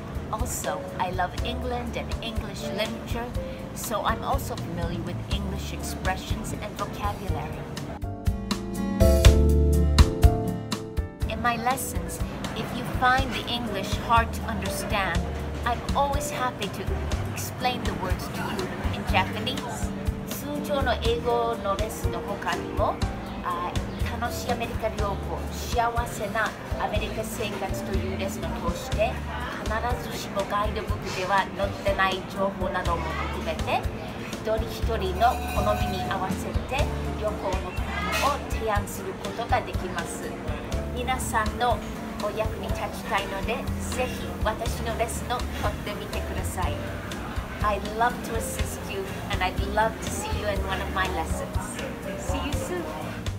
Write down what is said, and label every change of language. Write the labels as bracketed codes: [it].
[en] Also, I love England and English literature, so I'm also familiar with English expressions and vocabulary. In my lessons, if you find the English hard to understand, I'm always happy to explain the words to you in Japanese. [ja] 通常の英語のレッスンのほかにも、楽しいアメリカ旅行、幸せなアメリカ生活というレッスンを通して、必ずしもガイドブックでは載ってない情報なども含めて、一人一人の好みに合わせて旅行のプランを提案することができます。皆さんのお役に立ちたいので、ぜひ私のレッスンを取ってみてください。 [en] I'd love to assist you and I'd love to see you in one of my lessons. See you soon!